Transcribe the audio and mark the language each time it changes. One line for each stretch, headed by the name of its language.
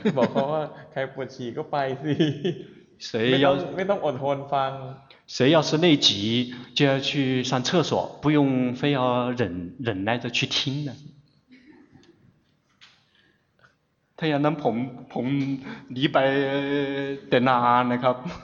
Thai: บอกเขาว่าใครปวดฉี่ก็ไปสิไม่ต้องอดทนฟัง
Chinese: 谁要是内急就要去上厕所不用非要忍耐着去听呢
Thai: ถ้าอย่างนั้นผมหนีไปแต่นานนะครับ